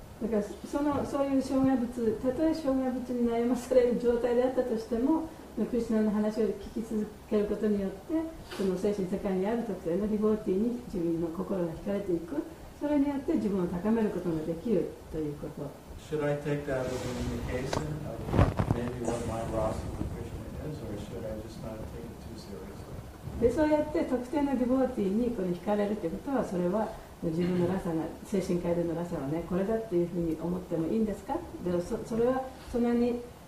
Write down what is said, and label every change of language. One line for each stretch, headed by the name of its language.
Japanese: だからそういう障害物、たとえ障害物に悩まされる状態であったとしても、クリシュナの話を聞き続けることによって、その精神世界にある特定のディボーティーに自分の心が惹かれていく、それによって自分を高めることができるということ。
English: Should I take that as an indication of maybe what my rasa with Krishna is, or should I just not take it too seriously?
Japanese: で、そうやって特定のディボーティーにこれ惹かれるということは、それは自分のラサが、精神界でのラサはね、これだっていうふうに思ってもいいんですか？で、それはそんなに